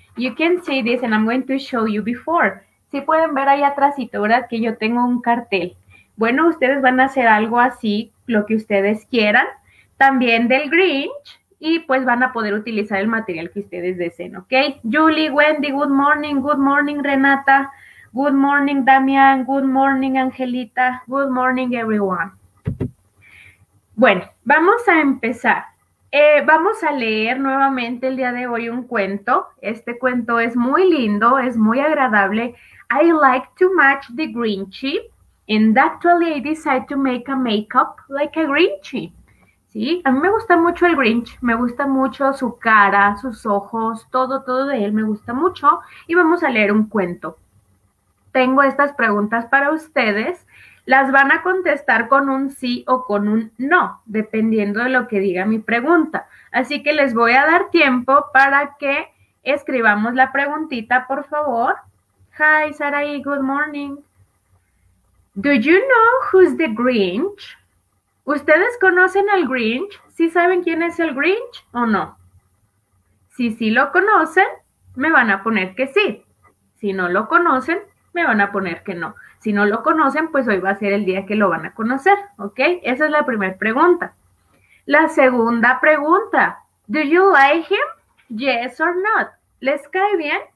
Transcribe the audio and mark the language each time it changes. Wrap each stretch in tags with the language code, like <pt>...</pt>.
<en>You can see this and I'm going to show you before.</en> <es>Sí pueden ver ahí atrasito, ¿verdad? Que yo tengo un cartel. Bueno, ustedes van a hacer algo así, lo que ustedes quieran, también del Grinch y pues van a poder utilizar el material que ustedes deseen, ¿ok?</es> <en>Julie, Wendy, good morning, Renata. Good morning, Damián. Good morning, Angelita. Good morning, everyone.</en> <es>Bueno, vamos a empezar. Vamos a leer nuevamente el día de hoy un cuento. Este cuento es muy lindo, es muy agradable.</es> <en>I like to match the Grinchy, and actually I decide to make a makeup like a Grinchy.</en> <es>Sí, a mí me gusta mucho el Grinch, me gusta mucho su cara, sus ojos, todo, todo de él me gusta mucho. Y vamos a leer un cuento. Tengo estas preguntas para ustedes. Las van a contestar con un sí o con un no, dependiendo de lo que diga mi pregunta. Así que les voy a dar tiempo para que escribamos la preguntita, por favor.</es> <en>Hi, Sarai, good morning. Do you know who's the Grinch?</en> <es>¿Ustedes conocen al Grinch? ¿Sí saben quién es el Grinch o no? Si sí lo conocen, me van a poner que sí. Si no lo conocen, me van a poner que no. Si no lo conocen, pues hoy va a ser el día que lo van a conocer, ¿ok? Esa es la primera pregunta. La segunda pregunta,</es> <en>¿Do you like him? Yes or not.</en> <es>¿Les cae bien?</es>